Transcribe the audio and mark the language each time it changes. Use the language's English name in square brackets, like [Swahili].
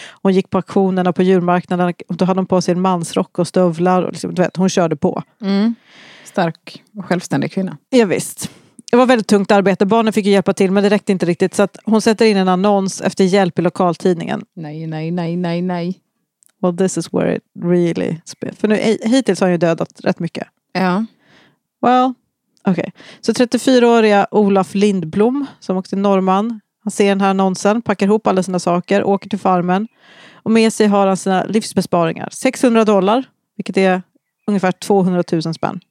[Swedish] Hon gick på auktionerna på djurmarknaden och då hade hon på sig en mansrock och stövlar. Och liksom, du vet, hon körde på. Mm. Stark och självständig kvinna. Ja visst. Det var väldigt tungt arbete. Barnen fick ju hjälpa till men det räckte inte riktigt. Så att hon sätter in en annons efter hjälp i lokaltidningen. Nej, nej, nej, nej, nej. [English] Well, this is where it really is. [Swedish] För nu, hittills har hon ju dödat rätt mycket. Ja. [English] Well... [Swedish] Okej, okay. Så 34-åriga Olaf Lindblom, som också är norrman, han ser den här annonsen, packar ihop alla sina saker, åker till farmen och med sig har han sina livsbesparingar. $600, vilket är ungefär 200 000 spänn.